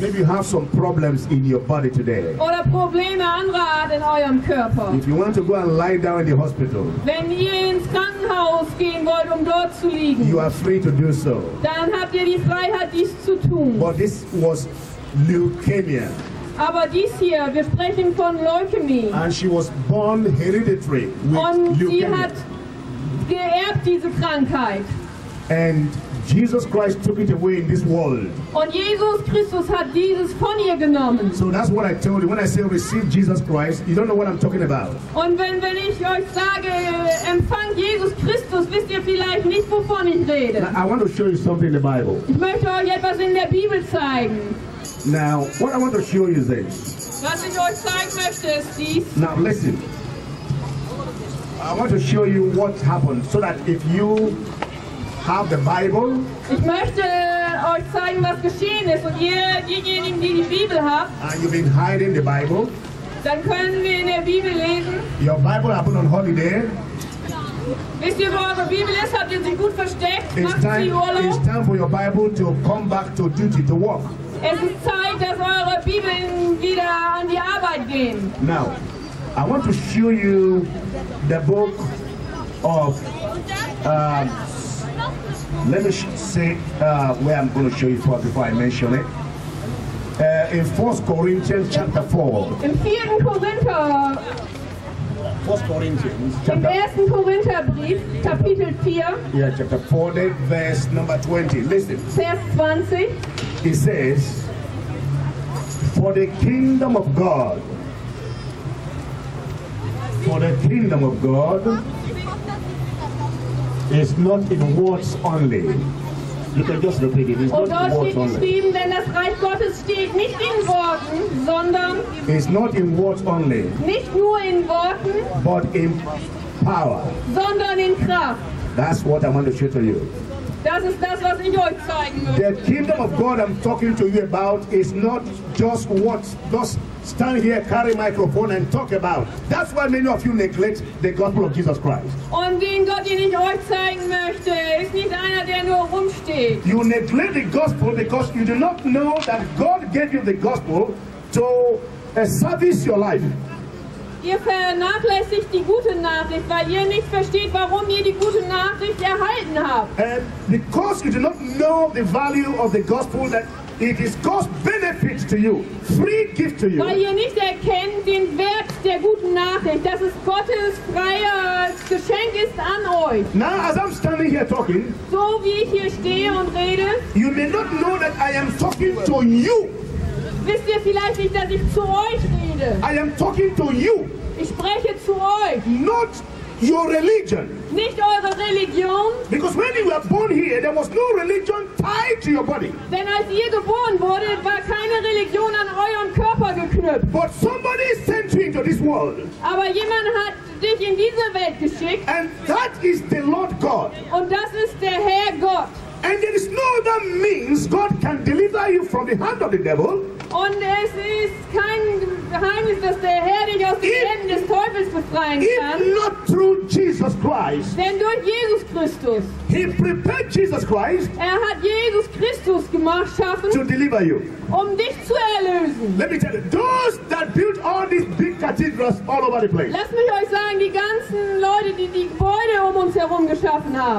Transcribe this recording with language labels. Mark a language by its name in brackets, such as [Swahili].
[English] Maybe you have some problems in your body today. [German] Oder Probleme anderer Art in eurem Körper. [English] If you want to go and lie down in the hospital. [German] Wenn ihr ins Krankenhaus gehen wollt, um dort zu liegen. [English] You are free to do so. [German] Dann habt ihr die Freiheit, dies zu tun. [English] But this was leukemia. [German] Aber dies hier, wir sprechen von Leukämie. [English] And she was born hereditary with [German] Und [English] leukemia. [German] Sie hat geerbt diese Krankheit. [English] And Jesus Christ took it away in this world. [German] Und Jesus Christus hat dieses von ihr genommen. [English] So that's what I told you. When I say receive Jesus Christ, you don't know what I'm talking about. [German] Und wenn ich euch sage, empfang Jesus Christus, wisst ihr vielleicht nicht, wovon ich rede. [English] Now, I want to show you something in the Bible. [German] Ich möchte euch etwas in der Bibel zeigen. [English] Now, what I want to show you is this. [German] Was ich euch zeigen möchte, ist dies. [English] Now, listen. I want to show you what happened, so that if you have the Bible. [German] Ich möchte euch zeigen, was geschehen ist. Und ihr, diejenigen, die die Bibel habt, [English] and you've been hiding the Bible. [German] Dann können wir in der Bibel lesen. [English] Your Bible happened on holiday. [German] Wisst ihr, wo eure Bibel ist? Habt ihr sie gut versteckt? [English] It's time, [German] sie [English] it's time for your Bible to come back to duty, to work. [German] Es ist Zeit, dass eure Bibeln wieder an die Arbeit gehen. [English] Now, I want to show you the book of let me say where I'm going to show you first before I mention it. In 1 Corinthians chapter 4. [German] In 4. Korinther. [English] 1 Corinthians chapter [German] 4. Im 1. Korintherbrief, Kapitel 4. [English] Yeah, chapter 4, verse number 20. Listen. [German] Vers 20. [English] It says, for the kingdom of God. For the kingdom of God. It's not in words only. You can just repeat it. It's not in words only. It's not in words only. [German] Nicht nur in Worten. [English] But in power. [German] Sondern in Kraft. [English] That's what I want to show to you. [German] Das ist das, was ich euch zeigen möchte. [English] The kingdom of God I'm talking to you about is not just words. Just stand here, carry microphone and talk about. That's why many of you neglect the gospel of Jesus Christ. [German] Und den Gott, den ich euch zeigen möchte, ist nicht einer, der nur rumsteht. [English] You neglect the gospel because you do not know that God gave you the gospel to service your life. [German] Ihr vernachlässigt die gute Nachricht, weil ihr nicht versteht, warum ihr die gute Nachricht erhalten habt. [English] And because you do not know the value of the gospel that it is cost benefit to you, free gift to you. [German] Weil ihr nicht erkennt den Wert der guten Nachricht, dass es Gottes freies Geschenk ist an euch. [English] Now, as I'm standing here talking, [German] so wie ich hier stehe und rede, [English] you may not know that I am talking to you. [German] Wisst ihr vielleicht nicht, dass ich zu euch rede? [English] I am talking to you. [German] Ich spreche zu euch. [English] Not your religion. [German] Nicht eure Religion. [English] Because when you were born here, there was no religion tied to your body. [German] Denn als ihr geboren wurde, war keine Religion an euren Körper geknüpft. [English] But somebody sent you into this world. [German] Aber jemand hat dich in diese Welt geschickt. [English] And that is the Lord God. [German] Und das ist der Herr Gott. [English] And there is no other means God can deliver you from the hand of the devil. [German] Und es ist kein Geheimnis, dass der Herr dich aus den Händen des Teufels befreien kann. [English] If not through Jesus Christ. [German] Denn durch Jesus Christus. [English] He prepared Jesus Christ. [German] Er hat Jesus Christus gemacht, schaffen. [English] To deliver you. [German] Um dich zu erlösen. [English] Let me tell you, those that built all these big cathedrals all over the place. [German] Lass mich euch sagen, die ganzen Leute, die die Gebäude um uns herum geschaffen haben.